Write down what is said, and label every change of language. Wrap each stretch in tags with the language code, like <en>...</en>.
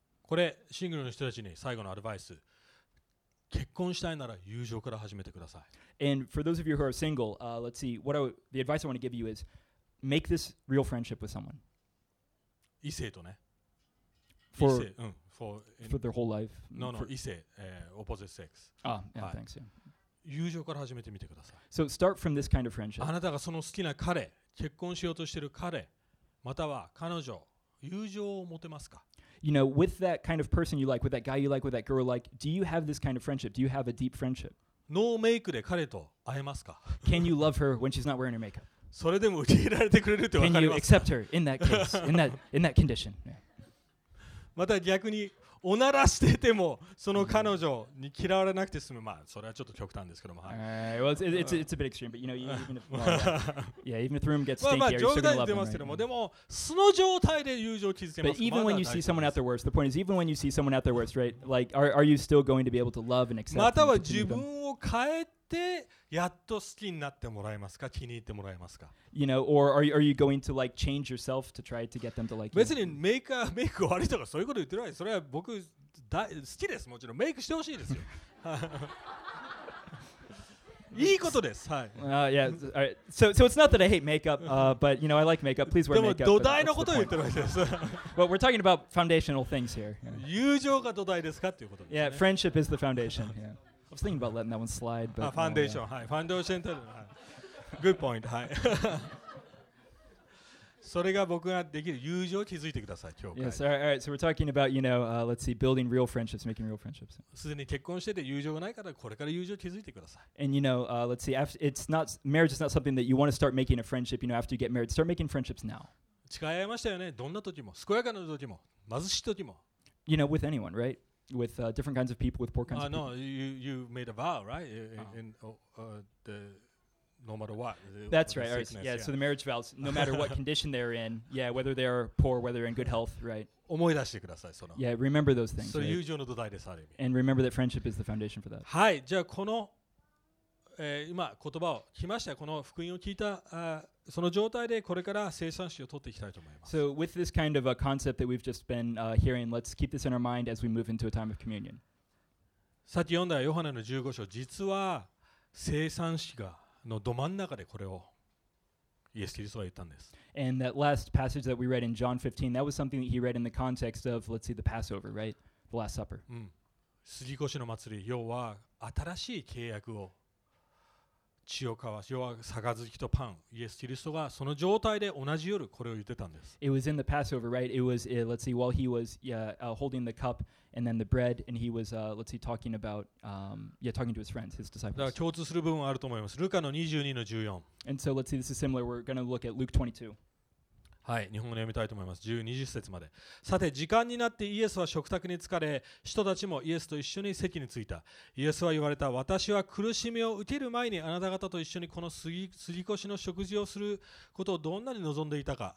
<ja>これ、シングルの人たちに最後のアドバイス。結婚したいなら友情から始めてください。</ja> <en>And for those of you who are single, let's see, the advice I want to give you is make this real friendship with someone.</en> <ja>異性とね。</ja> <en>For,</en> <ja>異性、うん、</ja> <en>for their whole life. No, no, 異性、opposite sex. Ah, yeah,、はい、thanks. Yeah.</en> <ja>友情から始めてみてください。</ja> <en>So start from this kind of friendship.</en> <ja>あなたがその好きな彼、結婚しようとしている彼、または彼女、友情を持てますか？</ja> <en>You know, with that kind of person you like, with that guy you like, with that girl you like, do you have this kind of friendship? Do you have a deep friendship?</en> <ja>ノーメイクで彼と会えますか?</ja> <en>Can you love her when she's not wearing her makeup?</en> <ja>それでも受け入れられてくれるって分かります</ja> <en>か? Can you accept her in that case, in that condition?</en> <ja>また逆におならしててもその彼女に嫌われなくて済む。まあそれはちょっと極端ですけども。</ja> <en>It's a bit extreme, but you know, even if the room gets stinky, you still love them, right?</en> <ja>でも素の状態で友情を築けますか?</ja> <en>But even when you see someone at their worst, the point is, even when you see someone at their worst, right? Like, are you still going to be able to love and accept them?</en> <ja>または自分を変えてやっと好きになってもらえますか? 気に入ってもらえますか?</ja> <en>You know, or are you going to like change yourself to try to get them to like you?</en> <ja>別にメイクが悪いとかそういうこと言ってるわけ。それは僕好きです。もちろんメイクしてほしいですよ。いいことです。はい。</ja> <en>Yeah. So it's not that I hate makeup, but you know, I like makeup. Please wear makeup.</en> <ja>でも土台のことを言ってるわけです。</ja> <en>But we're talking about foundational things here.</en> <ja>友情が土台ですかっていうことですね。</ja> <en>Yeah, friendship is the foundation. Yeah. I was thinking about letting that one slide, but... Foundation, yeah. Foundation. Good point, hi.</en> <ja>それが僕ができる友情を築いてください、教会。</ja> <en>Yes, all right. So we're talking about, you know, let's see, building real friendships, making real friendships.</en> <ja>すでに結婚してて友情がないから、これから友情を築いてください。</ja> <en>And you know, let's see, after, it's not, marriage is not something that you want to start making a friendship, you know, after you get married. Start making friendships now.</en> <ja>誓い合いましたよね、どんな時も、健やかな時も、貧しい時も。</ja> <en>You know, with anyone, right? With different kinds of people, with poor kinds of people. No, you made a vow, right? In no matter what. That's right. Sickness, right. Yeah, so the marriage vows, no matter what condition they're in, yeah, whether they are poor, whether they're in good health, right? Yeah, remember those things.</en> <ja>それ友情の土台です、ある意味。</ja> <en>And remember that friendship is the foundation for that.</en> <ja>はい、じゃあこの、今言葉を聞きました。この福音を聞いた、その状態でこれから生産紙を取っていきたいと思います。</ja> <en>So with this kind of a concept that we've just been hearing, let's keep this in our mind as we move into a time of communion.</en> <ja>さっき読んだヨハネの15章、実は生産紙がのど真ん中でこれをイエス・キリストは言ったんです。</ja> <en>And that last passage that we read in John 15, that was something that he read in the context of, let's see, the Passover, right? The Last Supper.</en> <ja>うん。杉越の祭り、要は新しい契約を血を交わし、要は杯とパン、イエス・キリストがその状態で同じ夜これを言ってたんです。</ja> <en>It was in the Passover, right? It was, let's see, while he was holding the cup and then the bread, and he was, let's see, talking about, talking to his friends, his disciples.</en> <ja>だから共通する部分はあると思います。ルカの22の14。</ja> <en>And so, let's see, this is similar. We're going to look at Luke 22.</en> <ja>はい、日本語で読みたいと思います。12節まで。さて、時間になってイエスは食卓に着かれ、人たちもイエスと一緒に席に着いた。イエスは言われた、私は苦しみを受ける前にあなた方と一緒にこの杉越の食事をすることをどんなに望んでいたか。</ja>